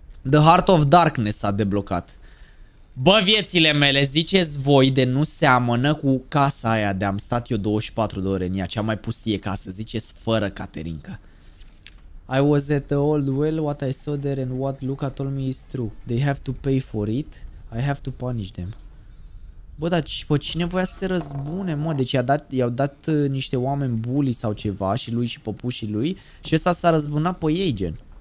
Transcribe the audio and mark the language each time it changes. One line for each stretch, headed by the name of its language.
Romanian: The Heart of Darkness s-a deblocat. Bă, viețile mele, ziceți voi de nu seamănă cu casa aia de am stat eu 24 de ore în ea, cea mai pustie casă, ziceți fără Caterinca.
English: I was at the old well, what I saw there and what Luca told me is true. They have to pay for it, I have to punish them.
Romanian: Bă, dar și pe cine voia să se răzbune, mă? Deci i-au dat niște oameni bully sau ceva și lui și păpușii lui și ăsta s-a răzbunat pe ei, gen.